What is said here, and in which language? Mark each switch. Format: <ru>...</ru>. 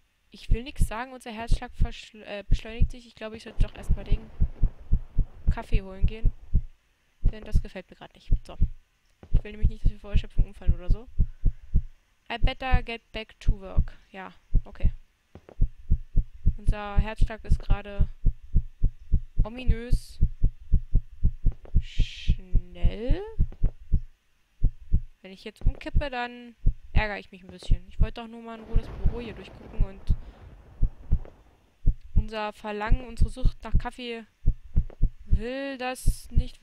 <de>Ich will nichts sagen, unser Herzschlag beschleunigt sich. Ich glaube, ich sollte doch erstmal den Kaffee holen gehen. Denn das gefällt mir gerade nicht. So. Ich will nämlich nicht, dass wir vor Erschöpfung umfallen oder so.</de> <en>I better get back to work.</en> <de>Ja, okay. Unser Herzschlag ist gerade ominös. Schnell. Wenn ich jetzt umkippe, dann ärgere ich mich ein bisschen. Ich wollte doch nur mal in Ruhe das Büro hier durchgucken und unser Verlangen, unsere Sucht nach Kaffee will das nicht.</de>